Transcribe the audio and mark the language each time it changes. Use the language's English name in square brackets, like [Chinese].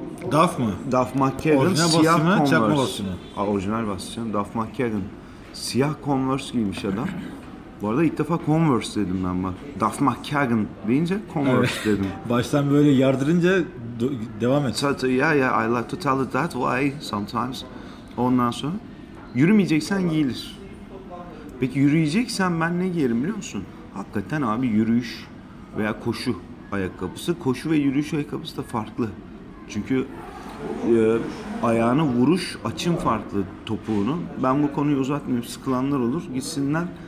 [Turkish] Duff mı? Duff McKagan. Siyah basçı mı? Converse. Çakma basçı mı? Orijinal basçı. Duff McKagan. Siyah Converse giymiş adam. Bu arada ilk defa Converse dedim ben bak. Duff McKagan deyince Converse evet. Dedim. Baştan böyle yardırınca devam et. [English] So, yeah yeah I like to tell it that way sometimes. [Turkish] Ondan sonra yürümeyeceksen giyilir. Peki yürüyeceksen ben ne giyerim biliyor musun? Hakikaten abi yürüyüş veya koşu ayakkabısı. Koşu ve yürüyüş ayakkabısı da farklı. Çünkü ayağını vuruş açın farklı topuğunu. Ben bu konuyu uzatmayayım, sıkılanlar olur gitsinler.